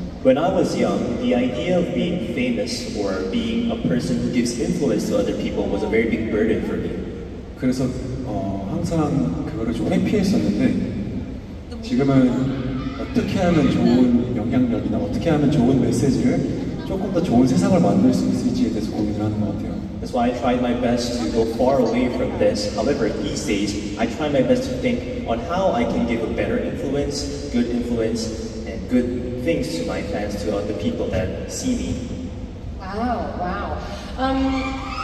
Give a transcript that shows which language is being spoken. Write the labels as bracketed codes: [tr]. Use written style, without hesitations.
[en] When I was young, the idea of being famous or being a person who gives influence to other people was a very big burden for me. [ko] 그래서 항상 그거를 좀 회피했었는데 지금은 어떻게 하면 좋은 영향력이나 어떻게 하면 좋은 메시지를 조금 더 좋은 세상을 만들 수 있을지에 대해서 고민을 하는 것 같아요. [en] That's why I tried my best to go far away from this. However, these days, I try my best to think on how I can give a better influence, good influence, and good things to my fans, to other people that see me. Wow, wow.